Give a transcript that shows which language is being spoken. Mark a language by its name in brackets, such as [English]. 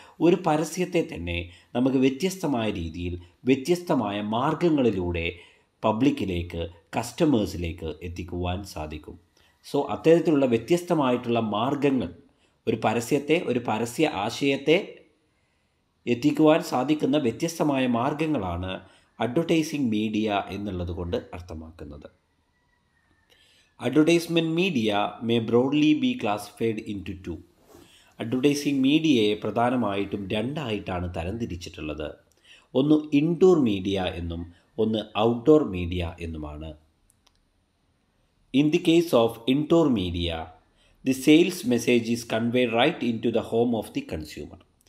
[Malayalam] ഒരു പരസ്യത്തെ തന്നെ നമുക്ക് വ്യത്യസ്തമായ രീതിയിൽ, വ്യത്യസ്തമായ മാർഗങ്ങളിലൂടെ പബ്ലിക്കിലേക്ക്, കസ്റ്റമേഴ്സിലേക്ക് എത്തിക്കുവാൻ സാധിക്കും. സോ അത്തരത്തിലുള്ള വ്യത്യസ്തമായിട്ടുള്ള മാർഗങ്ങൾ ഒരു പരസ്യത്തെ, ഒരു പരസ്യ ആശയത്തെ എത്തിക്കുവാൻ സാധിക്കുന്ന വ്യത്യസ്തമായ മാർഗങ്ങളാണ് അഡ്വർടൈസിങ് മീഡിയ എന്നുള്ളത് കൊണ്ട് അർത്ഥമാക്കുന്നത്. [English] Advertisement media may broadly be classified into two. [Malayalam] Advertising media പ്രധാനമായിട്ടും രണ്ടായിട്ടാണ് തരംതിരിച്ചിട്ടുള്ളത്. ഒന്ന് ഇൻഡോർ മീഡിയ എന്നും ഒന്ന് ഔട്ട്ഡോർ മീഡിയ എന്നുമാണ്. [English] In the case of indoor media, the sales message is convey right into the home of the consumer.